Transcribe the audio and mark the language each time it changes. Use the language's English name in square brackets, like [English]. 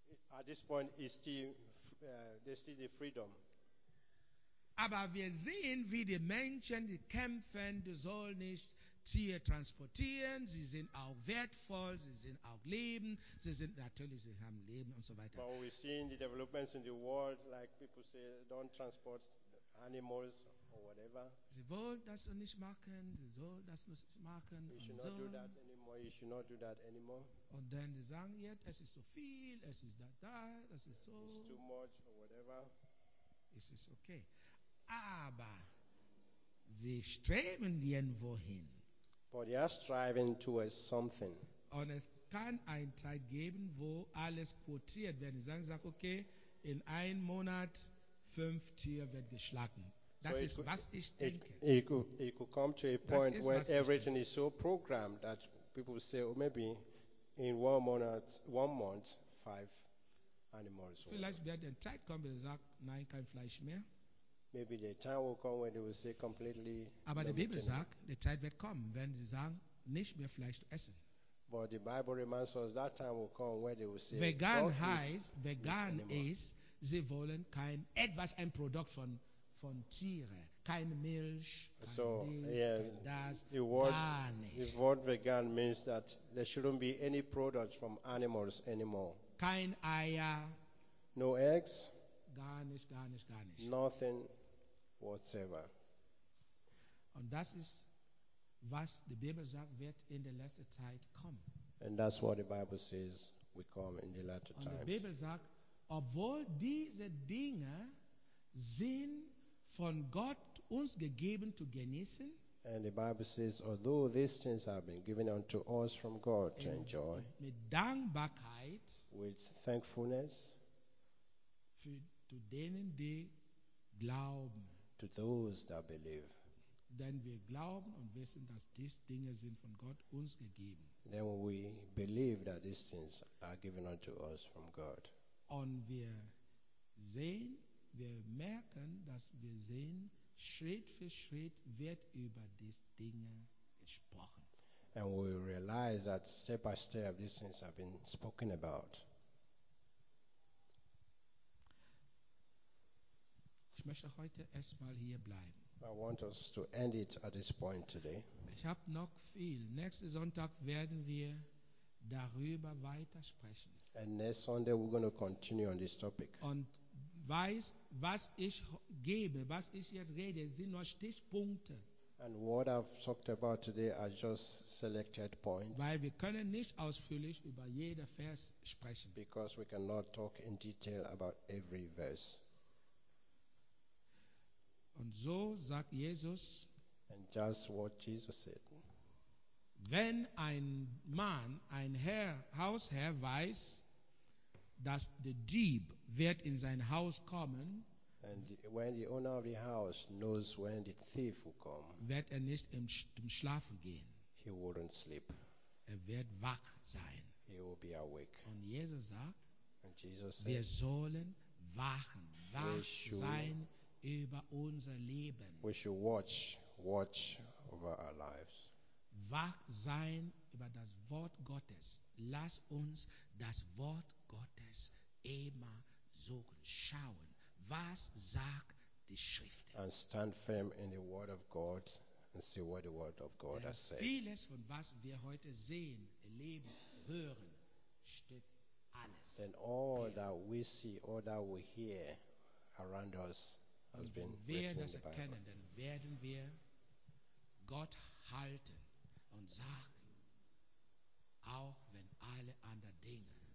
[English] At this point is still they see the freedom. [German] Aber wir sehen, wie die Menschen die kämpfen, die sollen nicht Tiere transportieren, sie sind auch wertvoll, sie sind auch Leben, sie sind natürlich, sie haben Leben und so weiter. [English] But we see in the developments in the world, like people say, don't transport animals or whatever. [German] Sie wollen das nicht machen, sie sollen das nicht machen. [English] You should not do that anymore, you should not do that anymore. [German] Und dann sie sagen, jetzt, es ist so viel, es ist that, es ist so. [English] It's too much or whatever. [German] Es ist okay. Aber sie streben irgendwo hin. [English] But they are striving towards something. [German] Und es kann ein Zeit geben, wo alles quotiert wird. Sie sagen, okay, in einem Monat 5 Tiere wird geschlagen. Das ist, was ich denke. [English] It could come to a point where everything is so programmed that people say, oh, maybe in one month, 5 animals. [German] Vielleicht wird ein Zeit kommen, wo sie sagen, nein, kein Fleisch mehr. [English] Maybe the time will come when they will say completely. [German] Aber die Bibel sagt, die Zeit wird kommen, wenn sie sagen, nicht mehr Fleisch zu essen. [English] But the Bible reminds us that time will come where they will say, [German] vegan heißt, vegan ist, sie wollen kein etwas, ein Produkt von Tieren. Kein Milch, [English] The word vegan means that there shouldn't be any products from animals anymore. [German] Kein Eier. [English] No eggs. [German] Garnish. [English] Nothing whatsoever. [German] Und das ist, was die Bibel sagt, wird in der letzten Zeit kommen. [English] And that's what the Bible says, we come in the latter times. [German] Und die Bibel sagt, obwohl diese Dinge sind von Gott uns gegeben zu genießen. [English] And the Bible says, although these things have been given unto us from God to enjoy, [German] mit Dankbarkeit, [English] with thankfulness, to [German] denen die glauben, [English] to those that believe, [German] denn wir glauben und wissen, dass diese Dinge sind von Gott uns gegeben. [English] Then we believe that these things are given unto us from God. [German] Und wir sehen, wir merken, dass wir sehen, Schritt für Schritt wird über diese Dinge gesprochen. [English] And we realize that step by step these things have been spoken about. [German] Ich möchte heute erstmal hier bleiben. [English] I want us to end it at this point today. [German] Ich habe noch viel. Nächsten Sonntag werden wir darüber weiter sprechen. [English] And next Sunday we're going to continue on this topic. [German] Und weiß, was ich gebe, was ich jetzt rede, sind nur Stichpunkte. [English] And what I've talked about today are just selected points. [German] Weil wir können nicht ausführlich über jeden Vers sprechen. [English] Because we cannot talk in detail about every verse. [German] Und so sagt Jesus. [English] And just what Jesus said. [German] Wenn ein Mann, ein Herr, Hausherr weiß, dass der Dieb wird in sein Haus kommen, [English] And when the owner of the house knows when the thief will come, [German] wird nicht im Schlafen gehen. [English] He wouldn't sleep. [German] Wird wach sein. [English] He will be awake. [German] Und Jesus sagt, [English] and Jesus [German] said, wir sollen wachen, wach sein über unser Leben. [English] We should watch over our lives. [German] Wach sein über das Wort Gottes. Lass uns das Wort Gottes immer suchen, schauen. Was sagt die Schrift? [English] And stand firm in the word of God and see what the word of God has said. [German] Vieles von was wir heute sehen, erleben, hören, steht alles. [English] Then all that we see, all that we hear around us has been written in the Bible. [German] Wir das erkennen, dann werden wir Gott halten und sagen, auch wenn alle anderen Dinge.